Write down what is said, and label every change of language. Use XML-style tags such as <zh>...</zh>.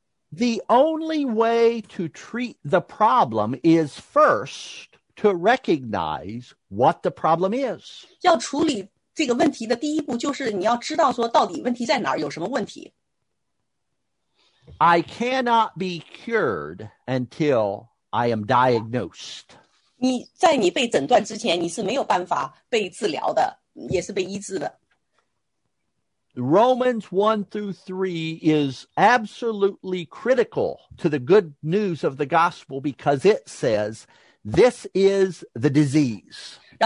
<en>The only way to treat the problem is first to recognize what the problem is.</en> <zh>要处理这个问题的第一步就是你要知道说到底问题在哪儿,有什么问题。</zh> <en>I cannot be cured until I am diagnosed.</en> <zh>你在你被诊断之前,你是没有办法被治疗的。</zh> <en>Romans 1 through 3 is absolutely critical to the good news of the gospel because it says this is the disease.</en>